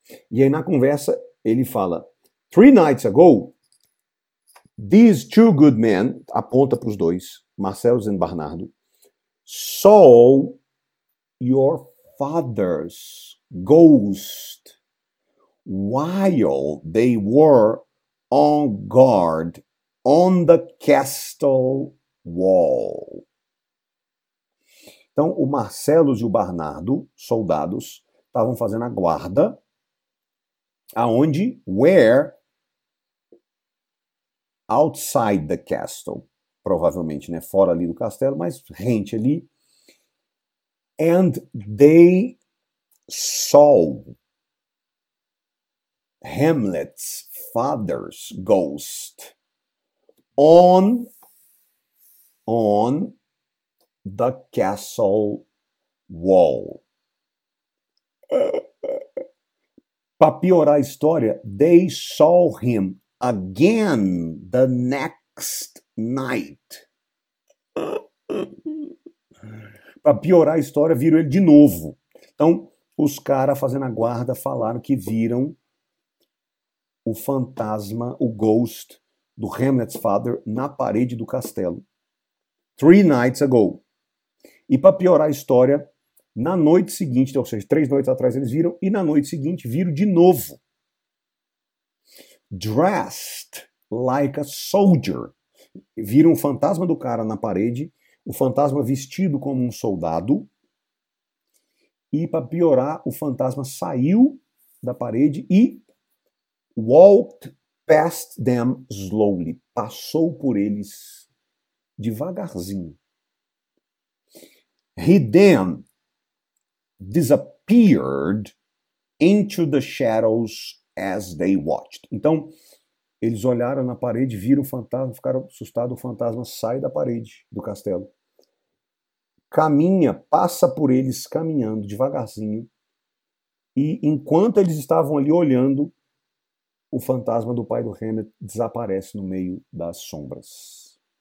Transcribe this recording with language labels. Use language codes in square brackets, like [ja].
[pt] E aí na conversa ele fala: [en] three nights ago, these two good men, [pt] aponta para os dois, [en] Marcellus and Bernardo, saw your father's ghost while they were on guard on the castle wall. [pt] Então, o Marcellus e o Bernardo, soldados, estavam fazendo a guarda Aonde? [en] Where? Outside the castle. [pt] Provavelmente, né? Fora ali do castelo, mas rente ali. [en] And they saw Hamlet's father's ghost on the castle wall. [pt] Para piorar a história, [en] they saw him again the next night. [pt] Para piorar a história, viram ele de novo. Então, os caras fazendo a guarda falaram que viram o fantasma, o ghost do [en] Hamlet's father [pt] na parede do castelo. [en] Three nights ago. [pt] E para piorar a história, na noite seguinte, ou seja, três noites atrás eles viram, e na noite seguinte viram de novo. [en] Dressed like a soldier. [pt] Viram o fantasma do cara na parede, o fantasma vestido como um soldado, e para piorar, o fantasma saiu da parede e [en] walked past them slowly. [pt] Passou por eles devagarzinho. [en] He then disappeared into the shadows as they watched. [pt] Então, eles olharam na parede, viram o fantasma, ficaram assustados. O fantasma sai da parede do castelo. Caminha, passa por eles caminhando devagarzinho. E enquanto eles estavam ali olhando, o fantasma do pai do Hamlet desaparece no meio das sombras.